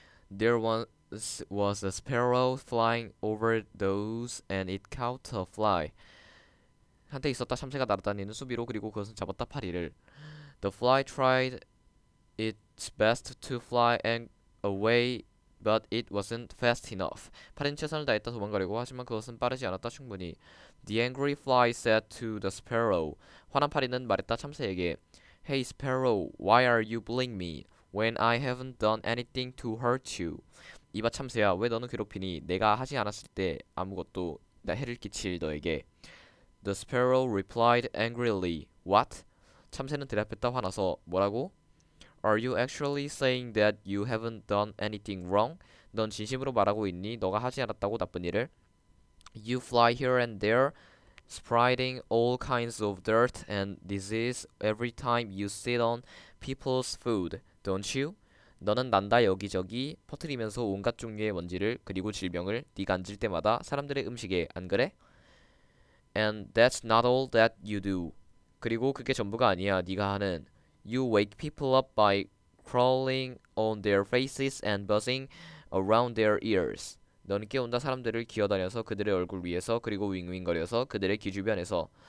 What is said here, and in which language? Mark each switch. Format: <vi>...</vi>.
<en>There once was a sparrow flying over those and it caught a fly.</en> <ko>한때 있었다 참새가 날아다니는 수비로 그리고 그것은 잡았다 파리를.</ko> <en>The fly tried its best to fly and away, but it wasn't fast enough.</en> <ko>파리는 최선을 다했다 도망가려고 하지만 그것은 빠르지 않았다 충분히.</ko> <en>The angry fly said to the sparrow.</en> <ko>화난 파리는 말했다 참새에게.</ko> <en>Hey sparrow, why are you bullying me? When I haven't done anything to hurt you.</en> <ko>이봐 참새야, 왜 너는 괴롭히니? 내가 하지 않았을 때 아무것도 나 해를 끼칠 너에게.</ko> <en>The sparrow replied angrily. What?</en> <ko>참새는 대답했다 화나서. 뭐라고?</ko> <en>Are you actually saying that you haven't done anything wrong?</en> <ko>넌 진심으로 말하고 있니? 너가 하지 않았다고 나쁜 일을?</ko> <en>You fly here and there, spreading all kinds of dirt and disease every time you sit on people's food. Don't you?</en> <ko>너는 난다 여기저기 퍼뜨리면서 온갖 종류의 먼지를 그리고 질병을 네가 앉을 때마다 사람들의 음식에 안 그래?</ko> <en>And that's not all that you do.</en> <ko>그리고 그게 전부가 아니야 네가 하는.</ko> <en>You wake people up by crawling on their faces and buzzing around their ears.</en> <ko>너는 깨운다 사람들을 기어다녀서 그들의 얼굴 위에서 그리고 윙윙거려서 그들의 귀 주변에서.</ko>